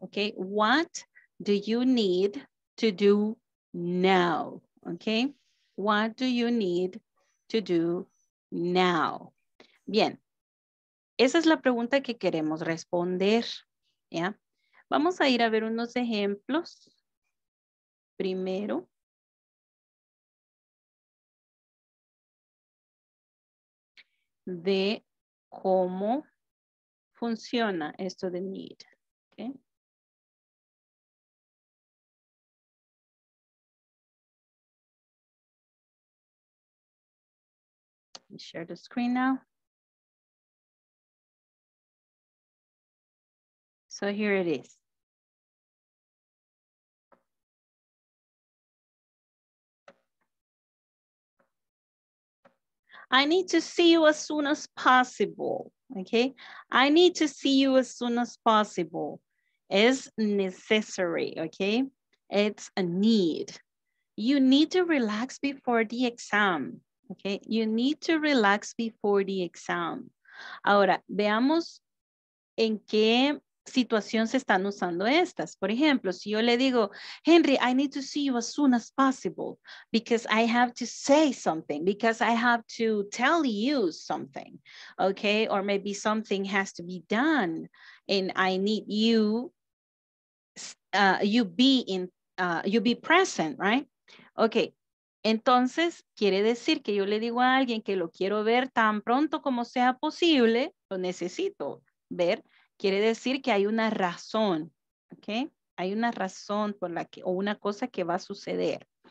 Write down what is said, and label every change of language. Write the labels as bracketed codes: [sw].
[en] Okay, what do you need to do now? Okay, what do you need to do now? [es] Bien, esa es la pregunta que queremos responder. ¿Ya? Vamos a ir a ver unos ejemplos. Primero. De cómo funciona esto de need. Okay. [en] Let me share the screen now. So here it is. I need to see you as soon as possible, okay? I need to see you as soon as possible. It's necessary, okay? It's a need. You need to relax before the exam, okay? You need to relax before the exam. [es] Ahora, veamos en qué situación se están usando estas. Por ejemplo, si yo le digo, [en] Henry, I need to see you as soon as possible because I have to say something, because I have to tell you something, okay? Or maybe something has to be done and I need you, you be present, right? [es] Okay, entonces quiere decir que yo le digo a alguien que lo quiero ver tan pronto como sea posible, lo necesito ver. Quiere decir que hay una razón, ¿ok? Hay una razón por la que, o una cosa que va a suceder.